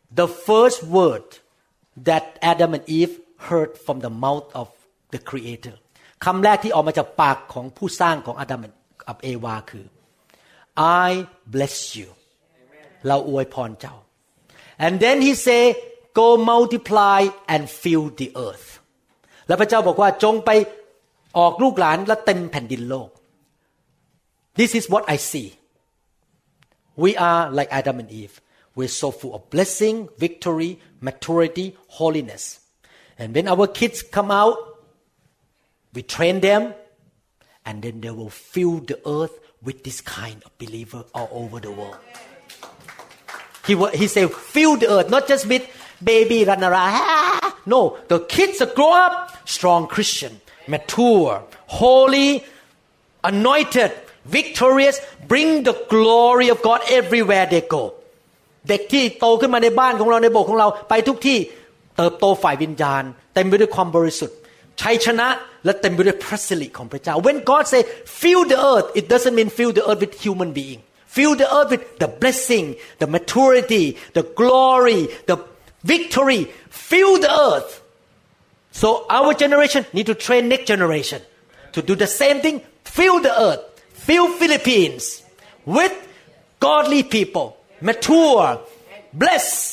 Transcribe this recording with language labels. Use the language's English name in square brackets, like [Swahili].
[English] The first word that Adam and Eve heard from the mouth of the Creator. [Thai] คำแรกที่ออกมาจากปากของผู้สร้างของ Adam and Eve คือ [English] I bless you. [Thai] เราอวยพรเจ้า [English] And then he say, go multiply and fill the earth. [Thai] แล้วพระเจ้าบอกว่าจงไปออกลูกหลานและเต็มแผ่นดินโลก [English] This is what I see. We are like Adam and Eve. We're so full of blessing, victory, maturity, holiness. And when our kids come out, we train them, and then they will fill the earth with this kind of believer all over the world. He said, fill the earth, not just with baby run around. No, the kids that grow up, strong Christian, mature, holy, anointed, victorious, bring the glory of God everywhere they go. [Thai] เด็กที่โตขึ้นมาในบ้านของเราในโบสถ์ของเราไปทุกที่ เติบโตฝ่ายวิญญาณเต็มไปด้วยความบริสุทธิ์ชัยชนะและเต็มไปด้วยพระสิริของพระเจ้า [English] When God say fill the earth it doesn't mean fill the earth with human being fill the earth with the blessing the maturity the glory the victory fill the earth so our generation need to train next generation to do the same thing fill the earth fill Philippines with godly peoplemature bless